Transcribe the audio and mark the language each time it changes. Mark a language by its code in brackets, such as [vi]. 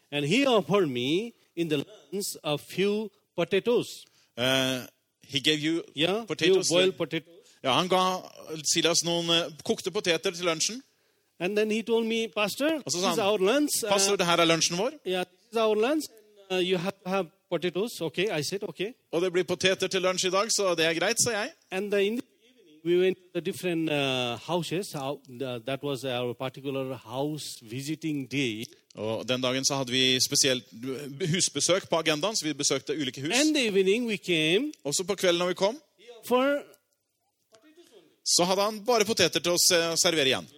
[en] And he offered me in the lunch a few potatoes. He gave you yeah, potatoes. Few boiled potatoes. [no] Ja, han ga Silas noen kokte poteter til lunchen. [en] And then he told me, Pastor, [no] han, [en] this is our lunch. [no] Pastor, det her lunchen vår. [en] Yeah, this is our lunch. You have to have potatoes, okay? I said okay. [sv] Och det blir potatoer till lunch idag, så det är grejt, sa jag. [en] And in the evening, we went to the different houses. That was our particular house visiting day. [sv] Och den dagen så hade vi speciellt husbesök på agendan, så vi besökte olika hus. [en] And the evening we came. [sv] Och så på kvällen när vi kom. [en] For [sv] så hade han bara potatoer till oss servera igen.